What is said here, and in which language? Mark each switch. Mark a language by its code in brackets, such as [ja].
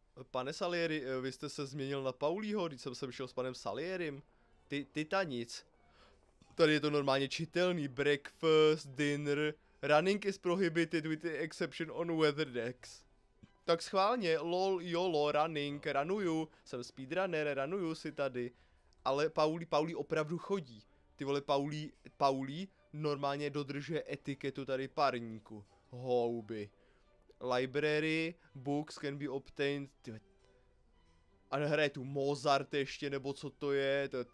[cs] Pane Salieri, vy jste se změnil na Paulího, když jsem se šel s panem Salierim. Titanic. Tady je to normálně čitelný. [en] Breakfast, dinner, running is prohibited with the exception on weather decks. [cs] Tak schválně, lol, jolo, running, runuju, jsem speedrunner, runuju si tady. Ale Paulí opravdu chodí. Ty vole, Paulí normálně dodržuje etiketu tady parníku. Houby. [en] Library, books can be obtained. [cs] A hraje tu Mozart ještě, nebo co to je.